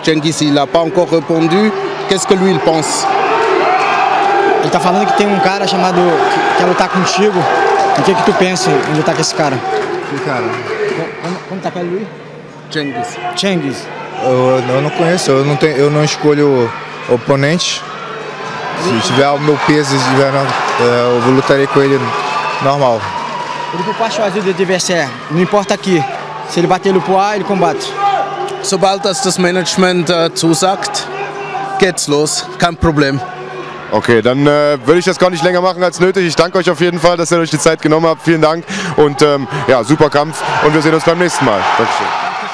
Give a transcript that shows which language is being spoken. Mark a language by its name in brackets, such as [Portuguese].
[French] Cengiz, il n'a pas encore répondu. Qu'est-ce que lui, il pense? [Portuguese] Il está falando que tem cara chamado que quer lutar contigo. O que tu pensa em lutar com esse cara? Que cara? Como tá com ele, Luiz? Cengiz. Cengiz. Eu não conheço, eu não escolho oponente. Se tiver o meu peso, eu vou lutar com ele normal. Ele não pode fazer o adversário, não importa aqui. Se ele bater no Poir, ele combate. [German] Sobald das Management zusagt, geht's los. Kein Problem. Okay, dann würde ich das gar nicht länger machen als nötig. Ich danke euch auf jeden Fall, dass ihr euch die Zeit genommen habt. Vielen Dank. Und ja, super Kampf. Und wir sehen uns beim nächsten Mal. Dankeschön.